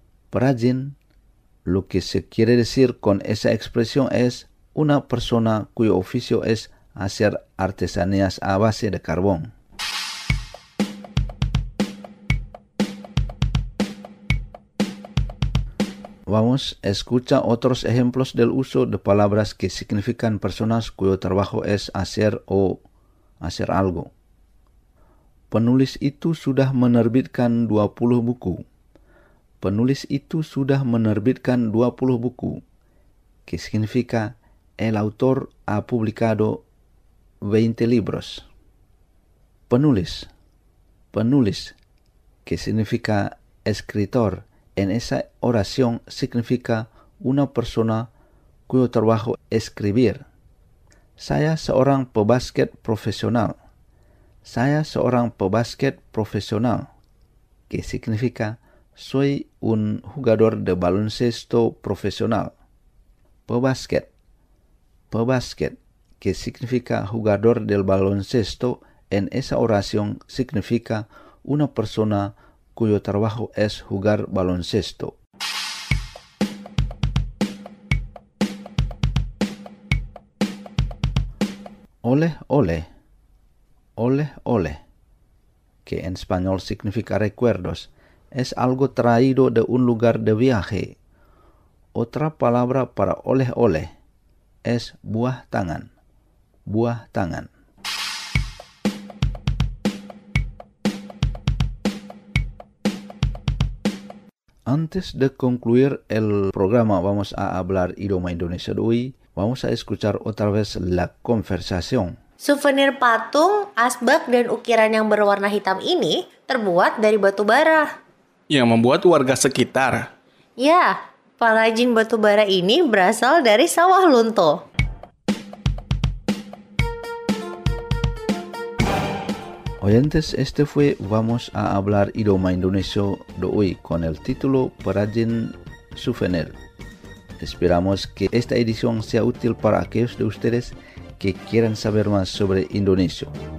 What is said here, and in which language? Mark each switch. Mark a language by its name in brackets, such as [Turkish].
[Spanish] Perajin, lo que se quiere decir con esa expresión es una persona cuyo oficio es hacer artesanías a base de carbón. Vamos, escucha otros ejemplos del uso de palabras que significan personas cuyo trabajo es hacer o hacer algo. [Indonesian] Penulis itu sudah menerbitkan 20 buku. Penulis itu sudah menerbitkan 20 buku. [Spanish] Que significa el autor ha publicado 20 libros. Penulis. Penulis. Que significa escritor. En esa oración significa una persona cuyo trabajo es escribir. [Indonesian] Saya seorang pebasket profesional. Saya seorang pebasket profesional. [Spanish] Que significa soy un jugador de baloncesto profesional. Pebasket. Pebasket. Que significa jugador del baloncesto. En esa oración significa una persona cuyo trabajo es jugar baloncesto. Oleh oleh. Oleh oleh. Que en español significa recuerdos. Es algo traído de un lugar de viaje. Otra palabra para oleh oleh es buah tangan. [Indonesian] Buah tangan. [Spanish] Antes de concluir el programa, vamos a hablar idioma indonesia de hoy. Vamos a escuchar otra vez la conversación. [Indonesian] Souvenir patung, asbak, dan ukiran yang berwarna hitam ini terbuat dari batu bara. Yang membuat warga sekitar. Ya, pengrajin batu bara ini berasal dari sawah Lunto. [Spanish] Oyentes, este fue Vamos a hablar idioma indonesio de hoy con el título Perajin Souvenir. Esperamos que esta edición sea útil para aquellos de ustedes que quieran saber más sobre Indonesia.